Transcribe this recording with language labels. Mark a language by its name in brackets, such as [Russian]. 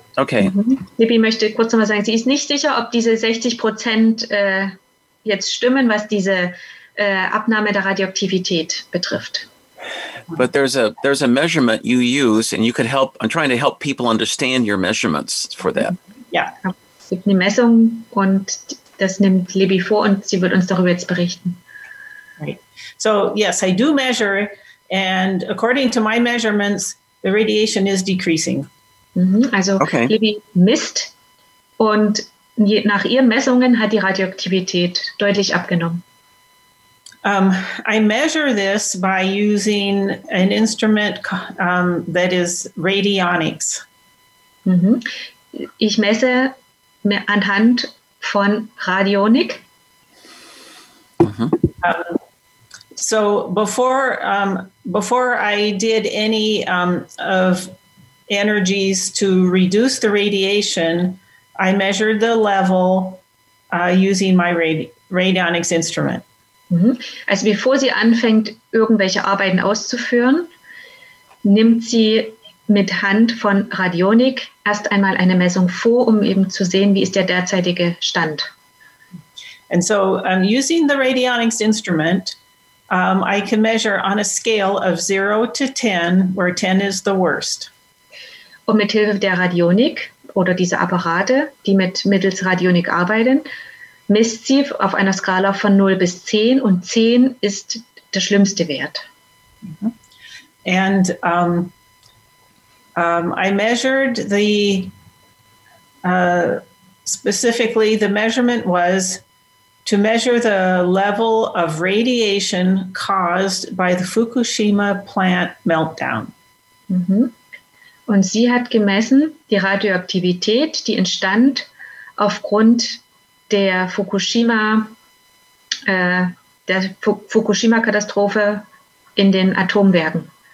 [English] Okay. Mm-hmm. [German] Libby möchte kurz noch mal sagen, sie ist nicht sicher, ob diese 60% jetzt stimmen, was diese Abnahme der Radioaktivität betrifft. [English] But there's a measurement you use, and you could help. I'm trying to help people understand your measurements for that. Yeah. [German] Es gibt eine Messung, und das nimmt Libby vor, und sie wird uns darüber jetzt berichten. [English] Right. So yes, I do measure, and according to my measurements, the radiation is decreasing. [German] Also okay. Libby misst, und nach ihren Messungen hat die Radioaktivität deutlich abgenommen. [English] I measure this by using an instrument that is radionics. Mm-hmm. [German] Ich messe anhand von Radionik. Mm-hmm. [English] So before I did any of energies to reduce the radiation, I measured the level using my radionics instrument. [German] Also bevor sie anfängt, irgendwelche Arbeiten auszuführen, nimmt sie mit Hand von Radionik erst einmal eine Messung vor, um eben zu sehen, wie ist der derzeitige Stand. [English] And so using the radionics instrument, I can measure on a scale of 0 to 10, where 10 is the worst. [German] Und mit Hilfe der Radionik oder dieser Apparate, die mittels Radionik arbeiten, misst sie auf einer Skala von 0 bis 10, und 10 ist der schlimmste Wert. [English] And I measured the specifically the measurement was to measure the level of radiation caused by the Fukushima plant meltdown. [German] Und sie hat gemessen die Radioaktivität, die entstand aufgrund der Fukushima-Katastrophe in den Atomwerken.